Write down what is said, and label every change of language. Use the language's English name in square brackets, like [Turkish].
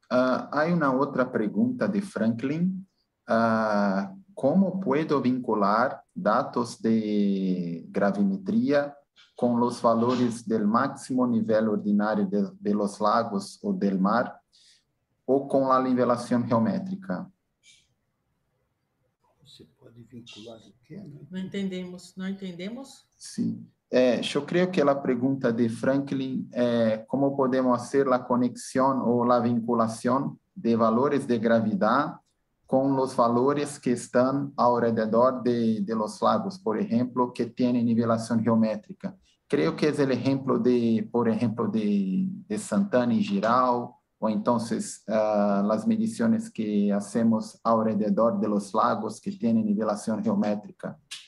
[Portuguese] Há uma outra pergunta de Franklin. [Spanish] ¿Cómo puedo vincular datos de gravimetría con los valores del máximo nivel ordinario de los lagos o del mar o con la nivelación geométrica? ¿Se puede vincular de qué? No entendemos. Sí. Yo creo que la pregunta de Franklin es ¿cómo podemos hacer la conexión o la vinculación de valores de gravedad [Portuguese] com os valores que estão ao redor [Spanish] de los lagos, [Portuguese] por exemplo, que têm nivelação geométrica. Creio que é o exemplo de Santana e Giral, ou então as medições que fazemos ao redor [Spanish] de los lagos [Portuguese] que têm nivelação geométrica.